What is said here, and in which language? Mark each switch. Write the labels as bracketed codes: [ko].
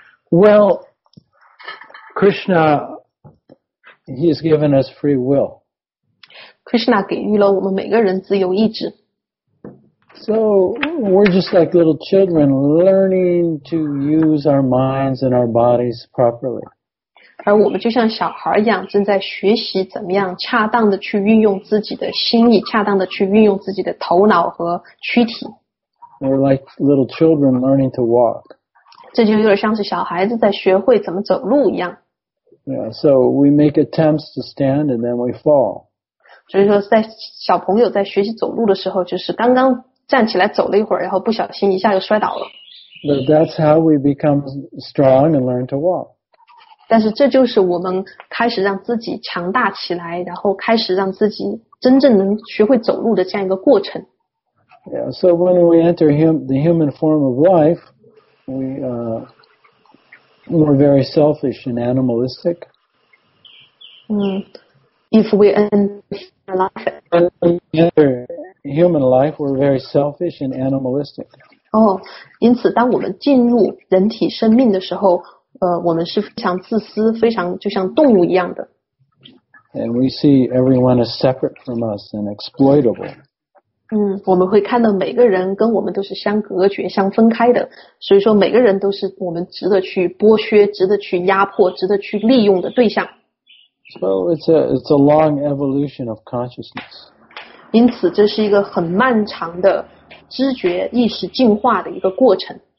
[en] Well,Krishna, he has given us free will. [zh] Krishna 给予了我们每个人自由意志。 [en] So we're just like little children learning to use our minds and our bodies properly. [zh] 而我们就像小孩一样正在学习怎么样恰当的去运用自己的心意，恰当的去运用自己的头脑和躯体。 [en] We're like little children learning to walk. [zh] 这就有点像是小孩子在学会怎么走路一样。 [en] Yeah, so we make attempts to stand and then we fall. [zh] 所以说在小朋友在学习走路的时候，就是刚刚站起来走了一会儿，然后不小心一下就摔倒了。 [en] But that's how we become strong and learn to walk. [zh] 但是这就是我们开始让自己强大起来，然后开始让自己真正能学会走路的这样一个过程。 [en] Yeah, so when we enter the human form of life, we're very selfish and animalistic. If we enter life, human life, we're very selfish and animalistic. [zh] 因此当我们进入人体生命的时候，我们是非常自私，非常就像动物一样的。 [en] And we see everyone as separate from us and exploitable. [zh] 我们会看到每个人跟我们都是相隔绝、相分开的，所以说每个人都是我们值得去剥削、值得去压迫、值得去利用的对象。 [en] So it's a long evolution of consciousness. [zh] 因此，这是一个很漫长的知觉意识进化的一个过程。